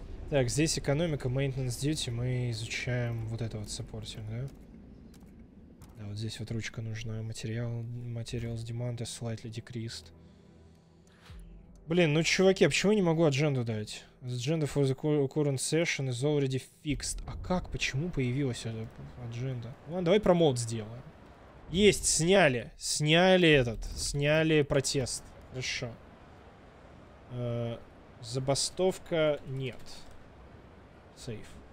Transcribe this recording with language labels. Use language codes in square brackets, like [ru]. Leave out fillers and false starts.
[ru] Так, здесь экономика, maintenance duty, мы изучаем вот это вот supporting, да? Да, вот здесь вот ручка нужна, материал, [en] materials demand is slightly decreased. [ru] Блин, ну чуваки, а почему я не могу адженду дать? [en] Agenda for the current session is already fixed. [ru] А как, почему появилась эта адженда? Ладно, давай промоут сделаем. Есть, сняли, сняли этот, сняли протест. Хорошо. Забастовка нет. Сейф.